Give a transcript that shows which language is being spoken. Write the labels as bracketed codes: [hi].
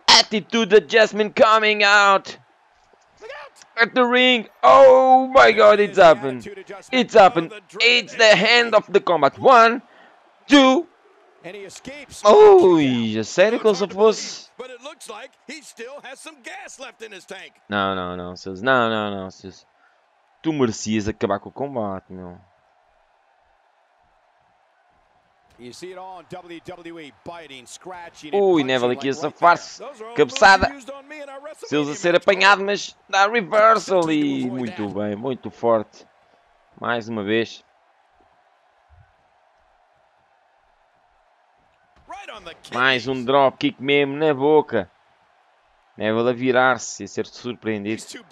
[en] Attitude adjustment coming out. Look out! At the ring. Oh my god, it's happened. It's happened. It's the hand of the combat. One, two. [pt] Oh, a sério que ele só fosse. [en] But it looks like he still has some gas left in his tank. [pt] Não, não, não, Seus. Não, não, não, Seus. Tu merecias acabar com o combate, meu. [en] You see it all in WWE, biting, scratching, [pt] ui, Neville aqui a safar-se. Cabeçada. Seus a ser apanhado, mas dá reversal. E muito bem, muito forte. Mais uma vez. Mais um dropkick mesmo na boca. Neville a virar-se e a ser surpreendido.